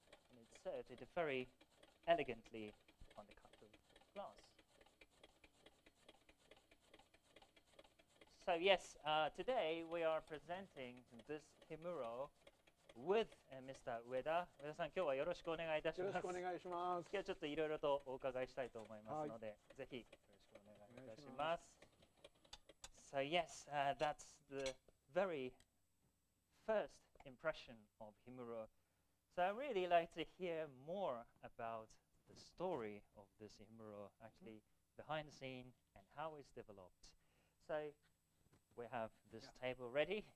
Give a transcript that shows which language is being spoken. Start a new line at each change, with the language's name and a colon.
English: And it served it very elegantly on the cup of glass. So yes, today we are presenting this himuro with Mr.
Japanese: Ueda. Ueda-san, 今日はよろしくお願いいたします。よろしくお願いします。今日はちょっといろいろとお伺いしたいと思いますので、ぜひよろしくお願いいたします。
English: So yes, that's the very first impression of himuro. So I really like to hear more about the story of this himuro, actually behind the scene and how it's developed. So we have this table ready.